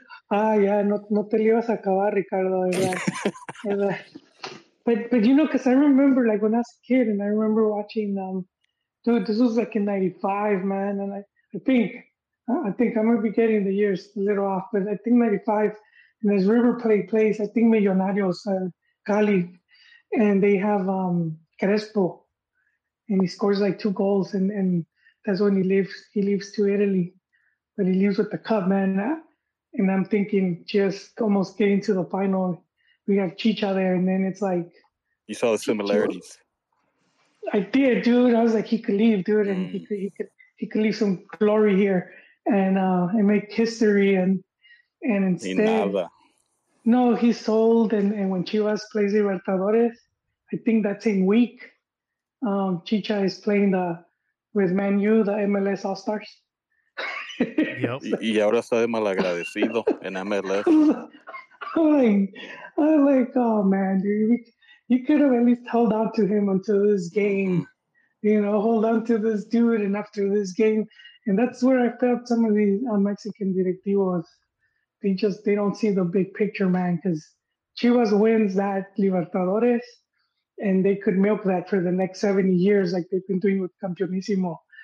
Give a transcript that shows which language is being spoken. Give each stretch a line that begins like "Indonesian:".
Spanish: Ah, yeah, no te ibas a acabar, Ricardo, ¿verdad?
English: But you know, because I remember, like, when I was a kid, and I remember watching, dude, this was, like, in 95, man. And I think I might be getting the years a little off, but I think 95, and there's River Plate plays, I think Millonarios, Cali, and they have Crespo, and he scores, like, two goals. And that's when he leaves to Italy, but he leaves with the cup, man. And I'm thinking, just almost getting to the final, we have Chicha there, and then it's like, you saw the similarities. I did, dude. I was like, he could leave, dude, and he could leave some glory here and make history, and instead, no, he's sold. And when Chivas plays Libertadores, I think that same week, Chicha is playing with Man U, the MLS All Stars. Yep.
Spanish: Y ahora está de malagradecido en MLS.
English: I'm like, oh man, dude. You could have at least held on to him until this game, you know, hold on to this dude and after this game. And that's where I felt some of these Mexican directivos, they don't see the big picture, man, because Chivas wins that Libertadores and they could milk that for the next 70 years like they've been doing with Campeonísimo.